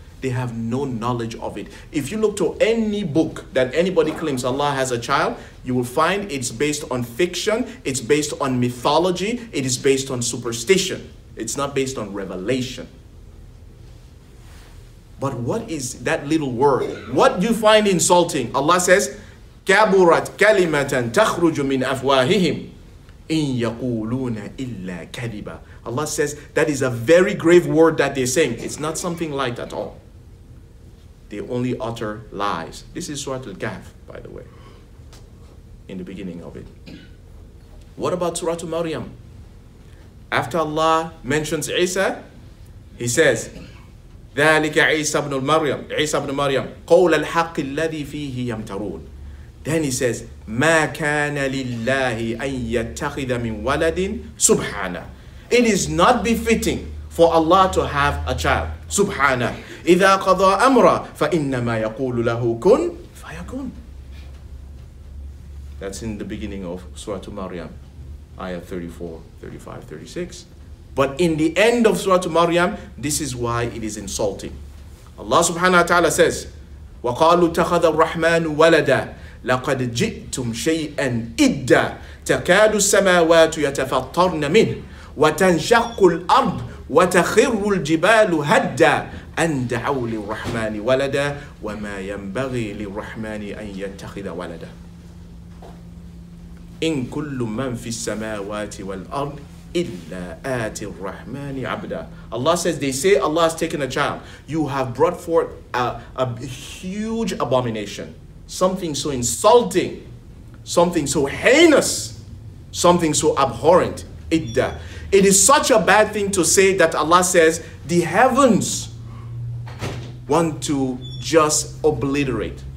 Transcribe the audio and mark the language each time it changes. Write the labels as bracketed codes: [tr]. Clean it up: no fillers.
[en] They have no knowledge of it. If you look to any book that anybody claims Allah has a child, you will find it's based on fiction, it's based on mythology, it is based on superstition. It's not based on revelation. But what is that little word? What do you find insulting? Allah says, [ar] كَبُرَتْ كَلِمَةً تَخْرُجُ مِنْ أَفْوَاهِهِمْ إِنْ يَقُولُونَ إِلَّا كَذِبًا. [en] Allah says, that is a very grave word that they're saying. It's not something light at all. They only utter lies. This is Surah Al-Kahf, by the way, in the beginning of it. What about Surah Maryam? After Allah mentions Isa, he says, [ar] ذَلِكَ عِيسَى بْنُ الْمَرْيَمِ عِيسَى بْنُ الْمَرْيَمِ قَوْلَ الْحَقِّ الَّذِي فِيهِ يَمْتَرُونَ. [en] Then he says, [ar] مَا كَانَ لِلَّهِ أَن يَتَّخِذَ مِنْ وَلَدٍ سُبْحَانَهُ. [en] It is not befitting for Allah to have a child. [ar] سُبْحَانَهُ إِذَا قَضَى أَمْرًا فَإِنَّمَا يَقُولُ لَهُ كُنْ فَيَكُنْ. [en] That's in the beginning of Surah Maryam, ayah 34, 35, 36. But in the end of Surah Maryam, this is why it is insulting. Allah subhanahu wa ta'ala says, [ar] وَقَالُوا اتَّخَذَ الرَّحْمَنُ وَلَدًا لَقَدْ جِئْتُمْ شَيْئًا إِدَّا تَكَادُ السَّمَاوَاتُ يَتَفَطَّرْنَ مِنْهُ وَتَنْشَقُّ الْأَرْضُ وَتَخِرُّ الْجِبَالُ هَدًّا أَنْ دَعَوْ لِلرَّحْمَنِ وَلَدًا وَمَا يَنْبَغِي لِلرَّحْمَنِ أَنْ يَتَّخِذَ وَلَدًا إِنْ كُلُّ مَنْ فِي السَّمَاوَاتِ وَالْأَرْضِ إِلَّا آتِ الرَّحْمَنِ عَبْدًا. [en] Allah says, they say Allah has taken a child. You have brought forth a huge abomination. Something so insulting. Something so heinous. Something so abhorrent. إِدَّا. It is such a bad thing to say that Allah says, the heavens want to just obliterate.